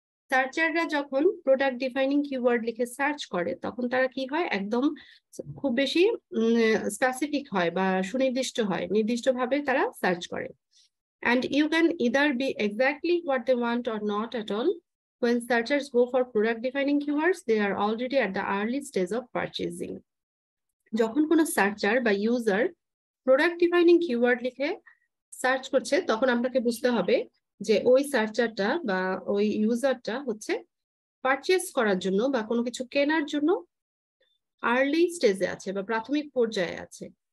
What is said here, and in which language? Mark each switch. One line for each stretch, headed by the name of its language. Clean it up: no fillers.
Bangla: সার্চাররা যখন product defining keyword লিখে search করে তখন তারা কি হয়, একদম খুব বেশি স্পেসিফিক হয় বা সুনির্দিষ্ট হয়, নির্দিষ্টভাবে তারা সার্চ করে।
English: And you can either be exactly what they want or not at all. When searchers go for product defining keywords, they are already at the early stage of purchasing.
Bangla: যখন কোনো searcher বা user product defining keyword লিখে search করছে তখন আপনাকে বুঝতে হবে যে ওই সার্চারটা বা ওই ইউজারটা হচ্ছে পারচেজ করার জন্য বা কোনো কিছু কেনার জন্য আর্লি স্টেজে আছে বা প্রাথমিক পর্যায়ে আছে।